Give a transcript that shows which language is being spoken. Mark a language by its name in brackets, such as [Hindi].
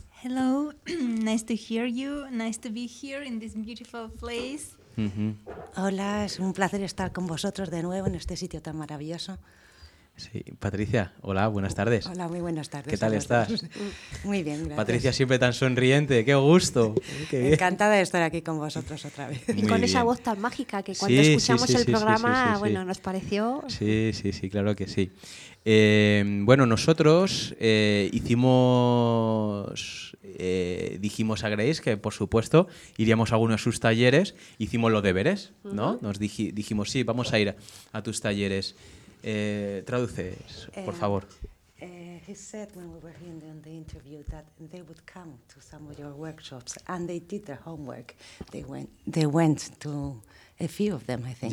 [English] Hello, nice to hear you, nice to be here in this beautiful place. Mm-hmm. [Spanish] Hola, es un placer estar con vosotros de nuevo en este sitio tan maravilloso. Sí, Patricia, hola, buenas tardes. Hola, muy buenas tardes. ¿Qué tal estás? Muy bien, gracias. Patricia siempre tan sonriente, qué gusto. Qué bien. Encantada de estar aquí con vosotros otra vez. Y con esa voz tan mágica que cuando escuchamos el programa, nos pareció... Sí, claro que sí. Bueno, nosotros dijimos a Grace que, por supuesto, iríamos a uno de sus talleres, hicimos los deberes, ¿no? Uh-huh. Nos dijimos, sí, vamos a ir a tus talleres. Traduce, por favor. [English] He said when we were here in the interview that they would come to some of your workshops and they did their homework. They went to a few of them, I think.